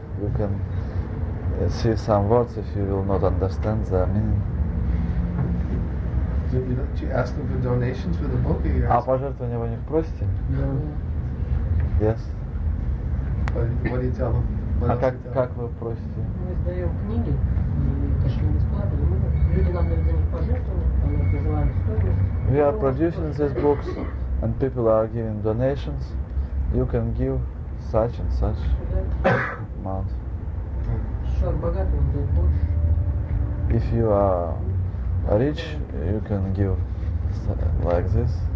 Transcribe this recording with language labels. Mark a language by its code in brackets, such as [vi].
[en] You can see some words if you will not understand the meaning. Do you ask them for donations for the book? [ru] А пожертвования вы не просите? Да. [en] Yes. What do you tell them? [ru] А как вы просите? Мы издаем книги, кошельки бесплатные. Люди нам дают за них пожертвования, мы называем стоимость. [en] We are producing these books and people are giving donations. You can give such and such amount. If you are rich, you can give like this.